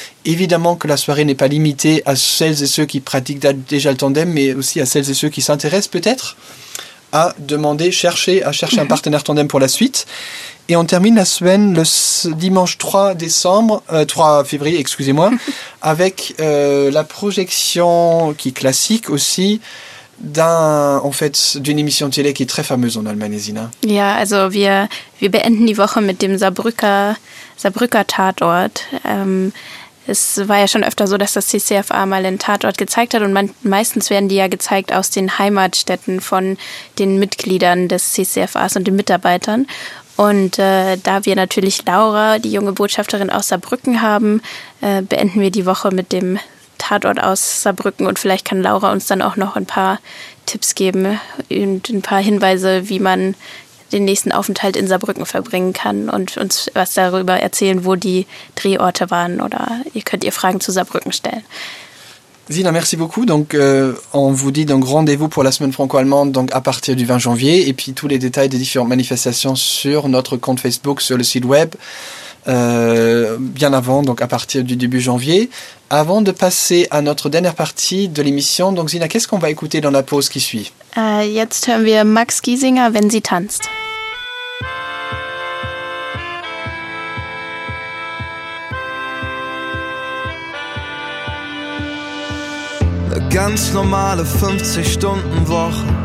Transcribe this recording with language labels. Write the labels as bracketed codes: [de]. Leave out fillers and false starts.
[fr] Évidemment que la soirée n'est pas limitée à celles et ceux qui pratiquent déjà le tandem, mais aussi à celles et ceux qui s'intéressent peut-être à chercher un partenaire tandem pour la suite. Et on termine la semaine le dimanche 3 février, avec la projection qui est classique aussi d'une émission télé qui est très fameuse en Allemagne, Zina. [de] Ja, also wir beenden die Woche mit dem Saarbrücker Tatort. Es war ja schon öfter so, dass das CCFA mal einen Tatort gezeigt hat und meistens werden die ja gezeigt aus den Heimatstädten von den Mitgliedern des CCFAs und den Mitarbeitern. Und da wir natürlich Laura, die junge Botschafterin aus Saarbrücken haben, beenden wir die Woche mit dem Tatort aus Saarbrücken und vielleicht kann Laura uns dann auch noch ein paar Tipps geben und ein paar Hinweise, wie man den nächsten Aufenthalt in Saarbrücken verbringen kann und uns was darüber erzählen, wo die Drehorte waren oder ihr könnt ihr Fragen zu Saarbrücken stellen. [fr] Zina, merci beaucoup. Donc, on vous dit donc rendez-vous pour la semaine franco-allemande donc à partir du 20 janvier. Et puis, tous les détails des différentes manifestations sur notre compte Facebook, sur le site web, bien avant, donc à partir du début janvier. Avant de passer à notre dernière partie de l'émission, donc Zina, qu'est-ce qu'on va écouter dans la pause qui suit ? [de] Jetzt hören wir Max Giesinger, wenn sie tanzt. Ganz normale 50-Stunden-Woche.